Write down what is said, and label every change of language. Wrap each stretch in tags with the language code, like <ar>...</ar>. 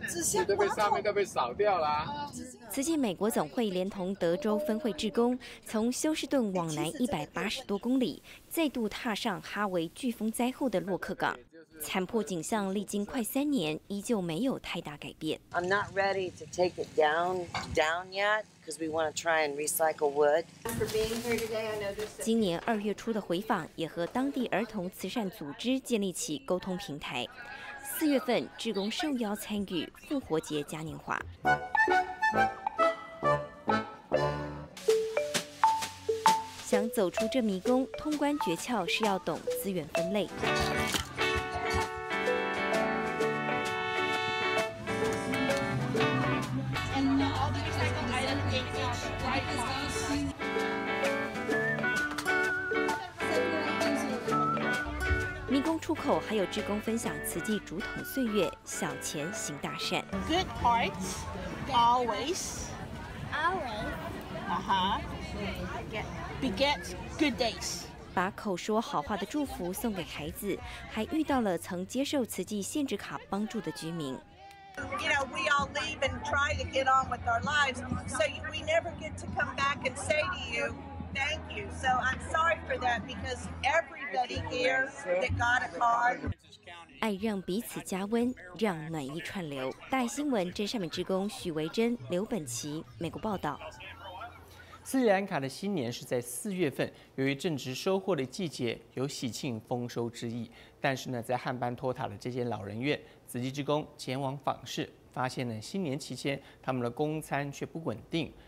<zh>纸箱都被上面都被扫掉了、啊。此际美国总会连同德州分会志工，从休斯顿往南180多公里，再度踏上哈维飓风灾后的洛克港。残破景象历经快3年，依旧没有太大改变。</zh> <en>I'm not ready to take it down yet, because we want to try and recycle wood. For being here today, I know this.</en> <zh>今年2月初的回访，也和当地儿童慈善组织建立起沟通平台。 4月份，志工受邀参与复活节嘉年华。想走出这迷宫，通关诀窍是要懂资源分类。迷宫出口还有志工分享慈济竹筒岁月，小钱行大善。</zh> <en>Good hearts always, beget good days。</en> <zh>把口说好话的祝福送给孩子，还遇到了曾接受慈济限制卡帮助的居民。</zh> <en>You know, we all leave and try to get on with our lives, so we never get to come back and say to you, thank you. So I'm sorry for that because everybody here that got a card.</en> <zh>爱让彼此加温，让暖意串流。大爱新闻真善美志工许维珍、刘本琪，美国报道。斯里兰卡的新年是在4月份，由于正值收获的季节，有喜庆丰收之意。但是呢，在汉班托塔的这间老人院，慈济志工前往访视，发现呢，新年期间他们的供餐却不稳定。</zh>